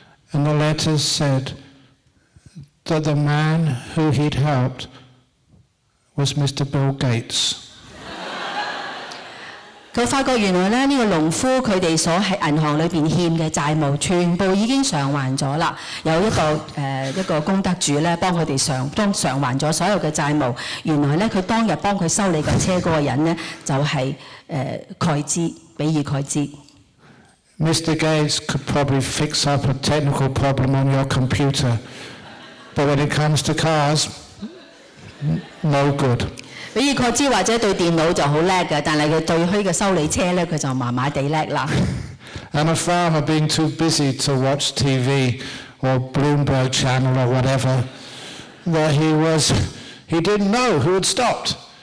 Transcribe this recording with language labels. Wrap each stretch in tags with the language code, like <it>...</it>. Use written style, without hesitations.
<en>And the letters said that the man who he'd helped was Mr. Bill Gates.</en> <yue>他發覺原來咧，呢個農夫佢哋所喺銀行裏邊欠嘅債務，全部已經償還咗啦。有一個功德主咧，幫佢哋償還咗所有嘅債務。原來咧，佢當日幫佢修理架車嗰個人咧，就係蓋茲，比爾蓋茲。</yue> <en>Mr. Gates could probably fix up a technical problem on your computer, but when it comes to cars, no good.</en> <yue>比爾蓋茲或者對電腦就好叻嘅，但係佢對虛嘅修理車咧，佢就麻麻地叻啦。</yue> <en>And a farmer being too busy to watch TV or Bloomberg Channel or whatever, that he didn't know who had stopped.</en>